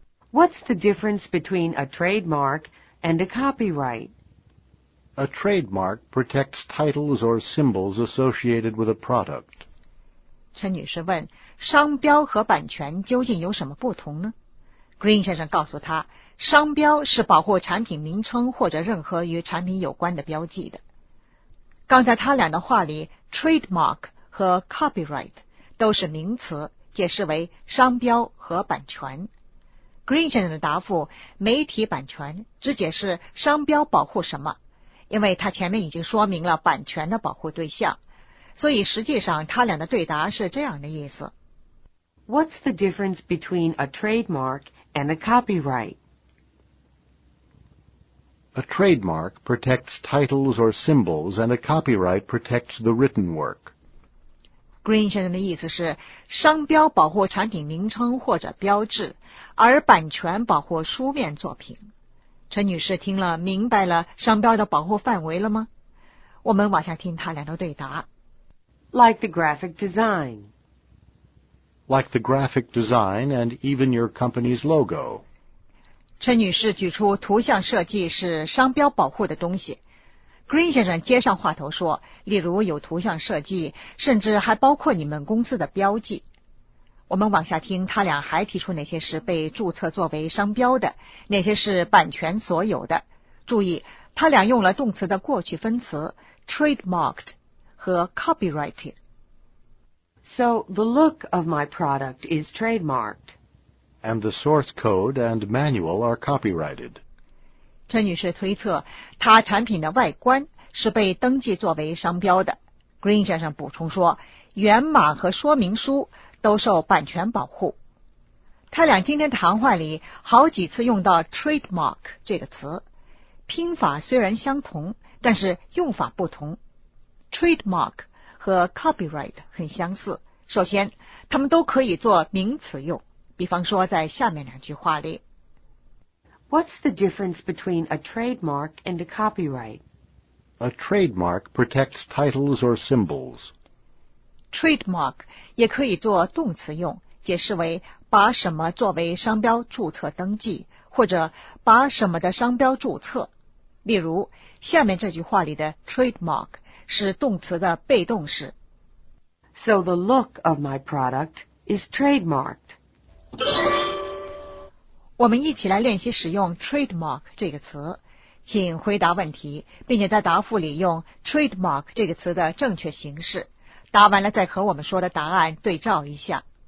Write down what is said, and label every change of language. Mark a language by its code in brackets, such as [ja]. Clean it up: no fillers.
[en] What's the difference between a trademark and a copyright? A trademark protects titles or symbols associated with a product. [zh] 陈女士问，商标和版权究竟有什么不同呢？ Green 先生告诉她，商标是保护产品名称或者任何与产品有关的标记的。刚才他俩的话里 ,trademark 和 copyright 都是名词，解释为商标和版权。 Grigion 的答复，媒体版权只解释商标保护什么，因为他前面已经说明了版权的保护对象，所以实际上他俩的对答是这样的意思。 [en] What's the difference between a trademark and a copyright? A trademark protects titles or symbols, and a copyright protects the written work. [zh] Green 先生的意思是，商标保护产品名称或者标志，而版权保护书面作品。陈女士听了，明白了商标的保护范围了吗？我们往下听他俩的对答。 [en] Like the graphic design. Like the graphic design and even your company's logo. [zh] 陈女士举出图像设计是商标保护的东西。 Green 先生接上话头说，例如有图像设计，甚至还包括你们公司的标记。我们往下听他俩还提出哪些是被注册作为商标的，哪些是版权所有的。注意，他俩用了动词的过去分词 trademarked 和 copyrighted。 [en] So, the look of my product is trademarked. And the source code and manual are copyrighted. [zh] 陈女士推测，她产品的外观是被登记作为商标的。 Green 先生补充说，源码和说明书都受版权保护。他俩今天谈话里好几次用到 trademark 这个词，拼法虽然相同，但是用法不同。 Trademark和 copyright 很相似。首先，他们都可以做名词用，比方说在下面两句话里。 [en] What's the difference between a trademark and a copyright? A trademark protects titles or symbols. [zh] Trademark 也可以做动词用，解释为把什么作为商标注册登记，或者把什么的商标注册。例如，下面这句话里的 trademark是动词的被动式。 [en] So the look of my product is trademarked. [zh] 我们一起来练习使用 trademark 这个词，请回答问题，并且在答复里用 trademark 这个词的正确形式。答完了再和我们说的答案对照一下。